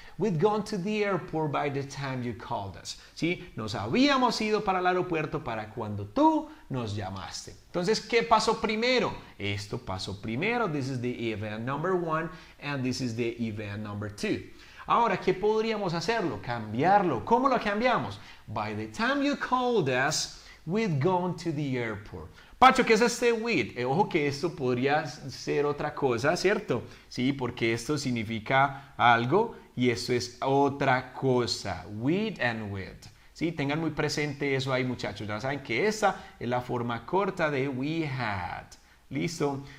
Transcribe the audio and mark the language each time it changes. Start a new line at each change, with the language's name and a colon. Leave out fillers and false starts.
English: We'd gone to the airport by the time you called us.
Spanish: ¿Sí? Nos habíamos ido para el aeropuerto para cuando tú nos llamaste. Entonces, ¿qué pasó primero? Esto pasó primero.
English: This is the event number one and this is the event number two.
Spanish: Ahora, ¿qué podríamos hacerlo? Cambiarlo. ¿Cómo lo cambiamos?
English: By the time you called us, we'd gone to the airport.
Spanish: Pacho, ¿qué es este with? Ojo que esto podría ser otra cosa, ¿cierto? Sí, porque esto significa algo y esto es otra cosa. With and with. Sí, tengan muy presente eso ahí, muchachos. Ya saben que esa es la forma corta de
English: we had.
Spanish: Listo.